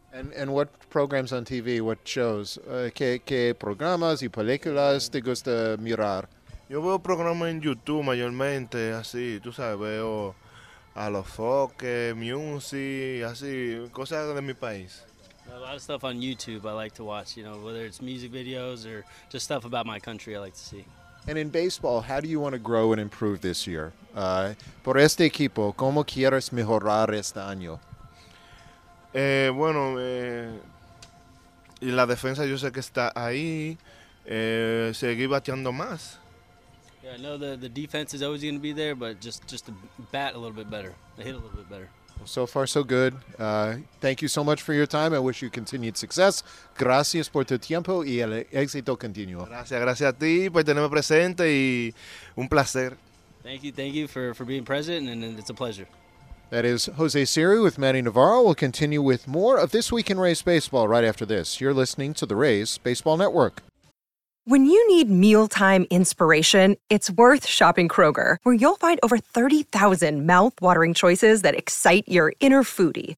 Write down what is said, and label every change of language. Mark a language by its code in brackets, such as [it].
[en] And what programs on TV, what shows? [es] ¿Qué programas y películas te gusta mirar? Yo veo programas en YouTube mayormente, así, tú sabes, veo a los Foques, Music, así, cosas de mi país. [en] A lot of stuff on YouTube I like to watch, you know, whether it's music videos or just stuff about my country I like to see. And in baseball, how do you want to grow and improve this year? [es] Por este equipo, ¿cómo quieres mejorar este año? Y la defensa yo sé que está ahí, seguir bateando más. [en] Yeah, I know the defense is always going to be there, but just to bat a little bit better, to hit a little bit better. So far, so good. Thank you so much for your time. I wish you continued success. [es] Gracias por tu tiempo y el éxito continuo. Gracias, gracias a ti por tenerme presente y un placer. [en] Thank you for being present, and it's a pleasure. That is Jose Siri with Manny Navarro. We'll continue with more of This Week in Rays Baseball right after this. You're listening to the Rays Baseball Network. When you need mealtime inspiration, it's worth shopping Kroger, where you'll find over 30,000 mouthwatering choices that excite your inner foodie.